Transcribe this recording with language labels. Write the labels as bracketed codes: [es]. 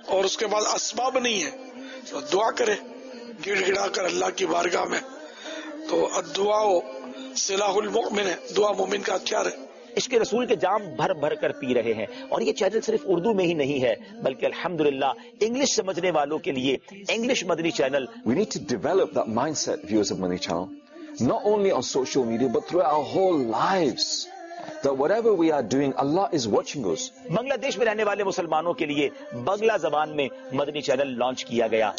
[ur] اور اس کے بعد اسباب نہیں ہے, تو دعا کرے گڑ گڑا کر اللہ کی بارگاہ میں, تو دعا [ar] سلاح المؤمن [ur] ہے, دعا مومن کا ہتھیار ہے. اس کے رسول کے جام بھر بھر کر پی رہے ہیں, اور یہ چینل صرف اردو میں ہی نہیں ہے بلکہ الحمدللہ انگلش سمجھنے والوں کے لیے English Madani channel. [en] We need to develop that mindset, viewers of Mani Channel, not only on social media but throughout our whole lives, that whatever we are doing, Allah is watching us. [ur] بنگلہ دیش میں رہنے والے مسلمانوں کے لیے بنگلہ زبان میں مدنی channel launch کیا گیا.